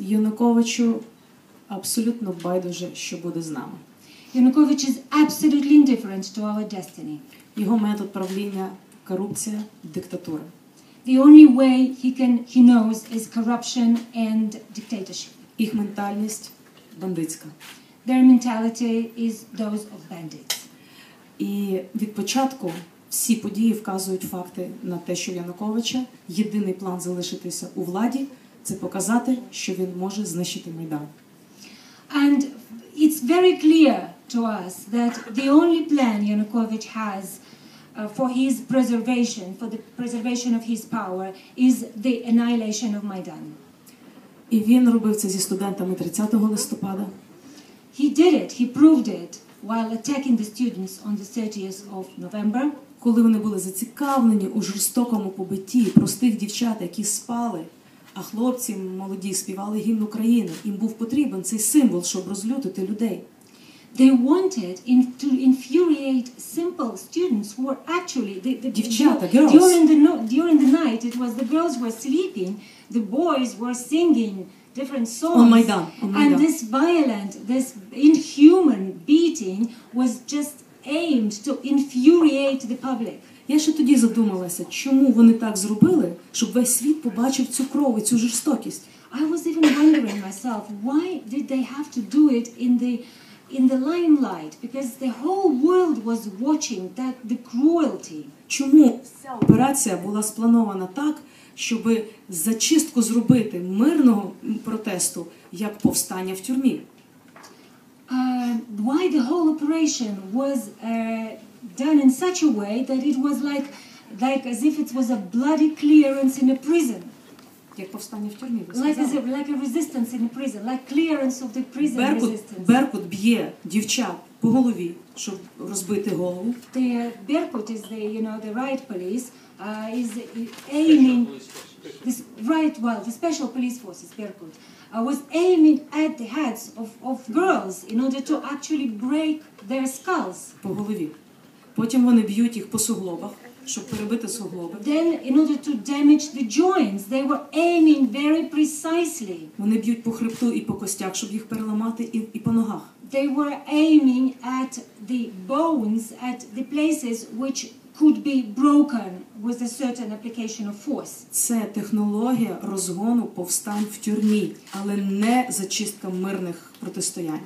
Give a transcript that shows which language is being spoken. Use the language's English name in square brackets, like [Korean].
[Ukrainian] Януковичу абсолютно байдуже, що буде з нами. [English] Yanukovych is absolutely indifferent to our destiny. [Ukrainian] Його метод правління – корупція, диктатура. [English] The only way he knows is corruption and dictatorship. [Ukrainian] Їх ментальність – бандитська. [English] Their mentality is those of bandits. [Ukrainian] І від початку всі події вказують факти на те, що Януковича єдиний план залишитися у владі – це показати, що він може знищити Майдан. [English] And it's very clear to us that the only plan Yanukovych has for his preservation, for the preservation of his power, is the annihilation of Maidan. [Ukrainian] І він робив це зі студентами 30 листопада. [English] He did it, he proved it, while attacking the students on the 30th of November. [Ukrainian] Коли вони були зацікавлені у жорстокому побитті простих дівчат, які спали, а хлопці молоді співали гімн України, їм був потрібен цей символ, щоб розлютити людей. [English] They wanted to infuriate simple students who were actually the [Ukrainian] дівчата, [English] girls. During the night it was the girls were sleeping, the boys were singing different songs. On Майдан, on Майдан. And this violent, this inhuman beating was just aimed to infuriate the public. [Ukrainian] Я ще тоді задумалася, чому вони так зробили, щоб весь світ побачив цю кров і цю жорстокість. [English] I was even wondering myself, why did they have to do it in the limelight, because the whole world was watching that the cruelty. [Ukrainian] Чому операція була спланована так, щоб зачистку зробити мирного протесту, як повстання в тюрмі? [English] Why the whole operation was done in such a way that it was like as if it was a bloody clearance in a prison? [Ukrainian] Як повстання в тюрмі, [English] like a resistance in a prison, like clearance of the prison. [Ukrainian] Беркут, [English] resistance. [Ukrainian] Беркут б'є дівчат по голові, щоб розбити голову. [English] The Беркут is the, you know, the riot police, is aiming this riot, well, the special police forces, Беркут, was aiming at the heads of girls in order to actually break their skulls. [Ukrainian] По голові. Потім вони б'ють їх по суглобах, щоб перебити суглоби. [English] Then in order to damage the joints, they were aiming very precisely. [Ukrainian] Вони б'ють по хребту і по костях, щоб їх переламати і по ногах. [English] They were aiming at the bones, at the places which could be broken with a certain application of force. [Ukrainian] Це технологія розгону повстань в тюрмі, але не зачистка мирних протистоянь.